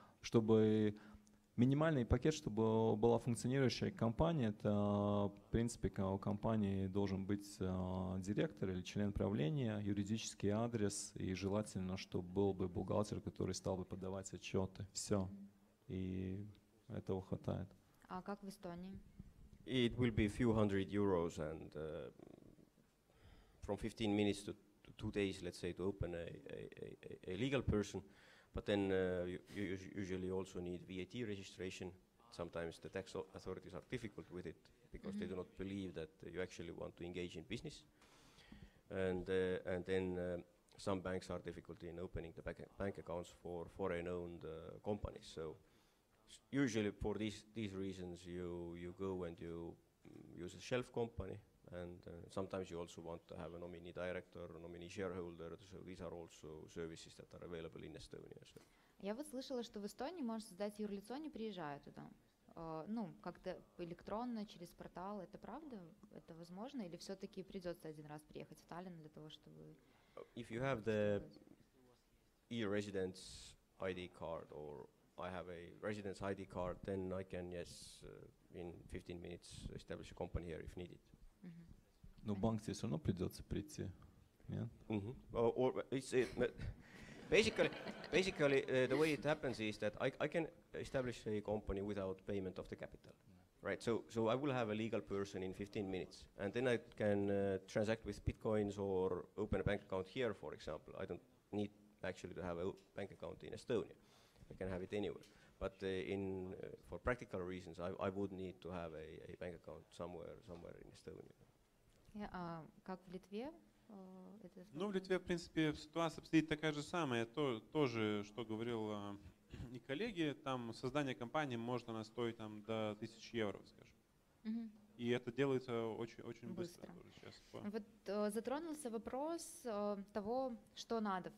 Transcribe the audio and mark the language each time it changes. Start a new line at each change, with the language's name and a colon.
Russian: Чтобы минимальный пакет, чтобы была функционирующая компания, это, в принципе, у компании должен быть директор или член правления, юридический адрес, и желательно, чтобы был бы бухгалтер, который стал бы подавать отчеты. Все. И этого хватает. А как в Эстонии?
English: It will be a few hundred euros and from 15 minutes to 2 days, let's say, to open a legal person, but then you usually also need VAT registration. Sometimes the tax authorities are difficult with it because mm-hmm. they do not believe that you actually want to engage in business. And then some banks are difficult in opening the bank accounts for foreign-owned companies. So usually for these reasons, you go and you use a shelf company. And sometimes you also want to have a nominee director, a nominee shareholder. So these are also services that are available in Estonia. So.
Russian: Я вот слышала, что в Эстонии можно создать юрлицо, не приезжая туда. Ну, как-то электронно, через портал. Это правда? Это возможно? Или все-таки придется один раз приехать в Таллин для того, чтобы…
English: If you have the e-residence ID card or I have a residence ID card, then I can, yes, in 15 minutes establish a company here if needed.
Russian: Но в банк тебе все равно придется прийти, нет?
English: Basically, the way it happens is that I can establish a company without payment of the capital, right? So I will have a legal person in 15 minutes, and then I can transact with bitcoins or open a bank account here, for example. I don't need actually to have a bank account in Estonia. I can have it anywhere. But for practical reasons, I would need to have a bank account somewhere in Estonia.
Russian: Как в Литве? Ну, в Литве, в принципе, ситуация обстоит такая же самая. Тоже, что говорил и коллеги, там создание компании может она стоить там до 1000 евро, скажем. Mm-hmm. И это делается очень быстро. Сейчас. Вот затронулся вопрос того, что надо.